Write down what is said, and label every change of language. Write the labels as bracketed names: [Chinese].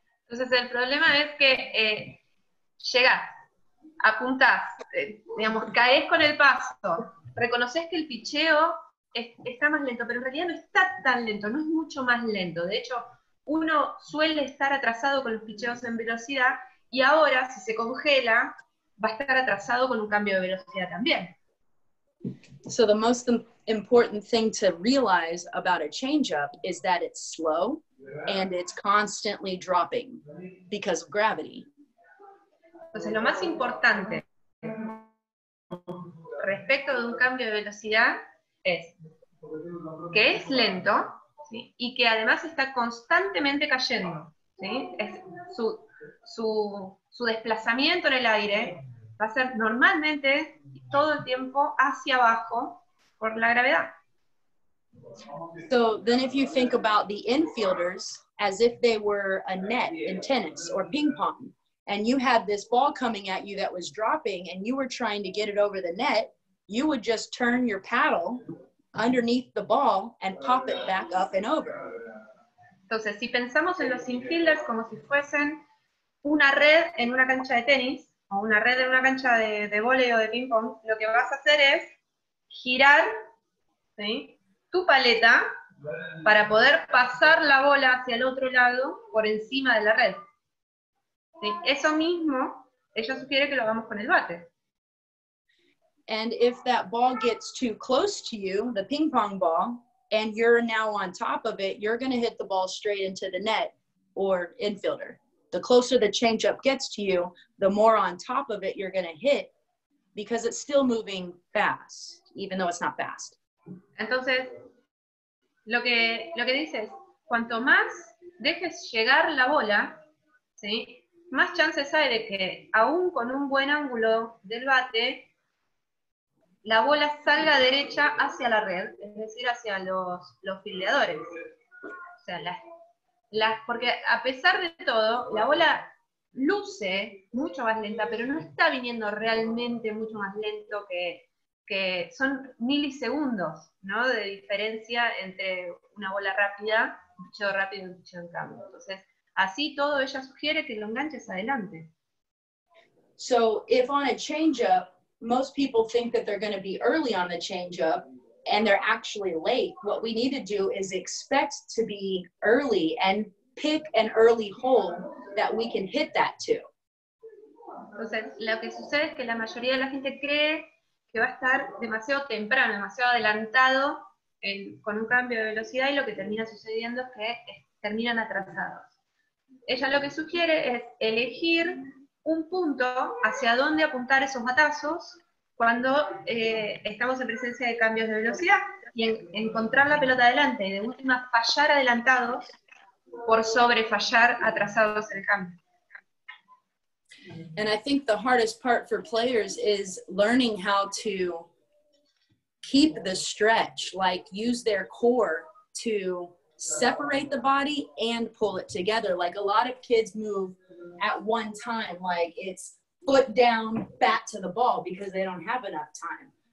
[Spanish] Entonces el problema es que llegas, apuntas, digamos, caes con el paso, reconoces que el picheo está más lento, pero en realidad no está tan lento, no es mucho más lento. De hecho, uno suele estar atrasado con los picheos en velocidad, y ahora, si se congela, va a estar atrasado con un cambio de velocidad también. [English] So the most important thing to realize about a changeup is that it's slow and it's constantly dropping because of gravity. [Spanish] Entonces lo más importante respecto de un cambio de velocidad es que es lento, ¿sí? Y que además está constantemente cayendo, ¿sí? Es su desplazamiento en el aire va a ser normalmente todo el tiempo hacia abajo por la gravedad. [English] So then if you think about the infielders as if they were a net in tennis or ping pong, and you had this ball coming at you that was dropping and you were trying to get it over the net, you would just turn your paddle underneath the ball and pop it back up and over. [Spanish] Entonces, si pensamos en los infielders como si fuesen una red en una cancha de tenis, o una red en una cancha de vóley o de ping pong, lo que vas a hacer es girar, ¿sí?, tu paleta para poder pasar la bola hacia el otro lado por encima de la red. ¿Sí? Eso mismo, ella sugiere que lo hagamos con el bate. [English] And if that ball gets too close to you, the ping pong ball, and you're now on top of it, you're going to hit the ball straight into the net or infielder. The closer the changeup gets to you, the more on top of it you're going to hit because it's still moving fast, even though it's not fast. [Spanish] Entonces, lo que dice es, cuanto más dejes llegar la bola, ¿sí?, más chances hay de que, aún con un buen ángulo del bate, la bola salga derecha hacia la red, es decir, hacia los fildeadores. O sea, porque a pesar de todo, la bola luce mucho más lenta, pero no está viniendo realmente mucho más lento que son milisegundos, ¿no?, de diferencia entre una bola rápida, un picheo rápido y un picheo en cambio. Entonces, así todo, ella sugiere que lo enganches adelante. [English] So, if on a changeup, most people think that they're going to be early on the changeup, and they're actually late, what we need to do is expect to be early and pick an early hole that we can hit that to. [Spanish] Entonces, lo que sucede es que la mayoría de la gente cree que va a estar demasiado temprano, demasiado adelantado con un cambio de velocidad, y lo que termina sucediendo es que terminan atrasados. Ella lo que sugiere es elegir un punto hacia dónde apuntar esos batazos cuando estamos en presencia de cambios de velocidad y encontrar la pelota adelante y de última fallar adelantados por sobre fallar atrasados en el cambio. [English] And I think the hardest part for players is learning how to keep the stretch, like use their core to separate the body and pull it together. Like a lot of kids move at one time, like it's foot down, bat to the ball, because they don't have enough time.